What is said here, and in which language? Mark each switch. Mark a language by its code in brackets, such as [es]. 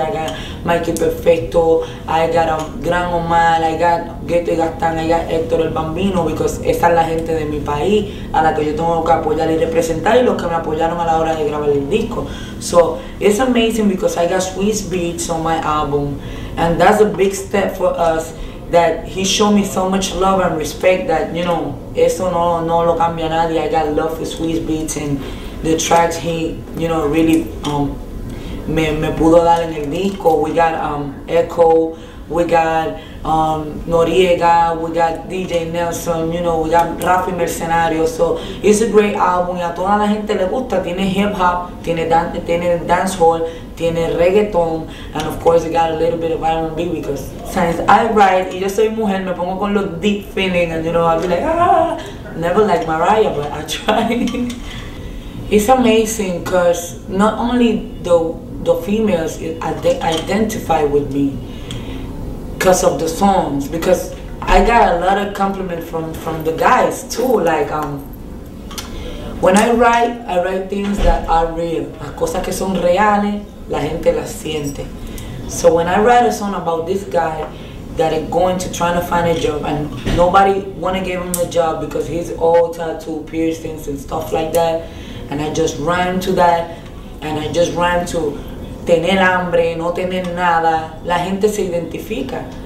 [en] I got Mikey Perfecto, I got a Gran Omar, I got Ghetto y Gastán, I got Héctor el Bambino, because [es] esa es la gente de mi país a la que yo tengo que apoyar y representar, y los que me apoyaron a la hora de grabar el disco. [en] So it's amazing because I got Swiss Beats on my album, and that's a big step for us. That he showed me so much love and respect that, you know, [es] eso no lo cambia nadie. [en] I got love for Swiss Beats and the tracks he, you know, really [es] me pudo dar en el disco. [en] We got Echo, we got Noriega, we got DJ Nelson, you know, we got Rafi Mercenario. So it's a great album, [es] y a toda la gente le gusta. Tiene hip hop, tiene dancehall, tiene reggaeton, [en] and of course it got a little bit of R&B, because since I write, [es] y yo soy mujer, me pongo con los [en] deep feelings, and you know, I'll be like, never like Mariah, but I try. It's amazing, because not only the females identify with me because of the songs, because I got a lot of compliments from the guys too. Like, when I write things that are real. [es] Las cosas que son reales, la gente las siente. [en] So when I write a song about this guy that is going to try to find a job, and nobody want to give him a job because he's all tattoo piercings and stuff like that, and I just rhyme to that, and I just rhyme to [es] tener hambre, no tener nada, la gente se identifica.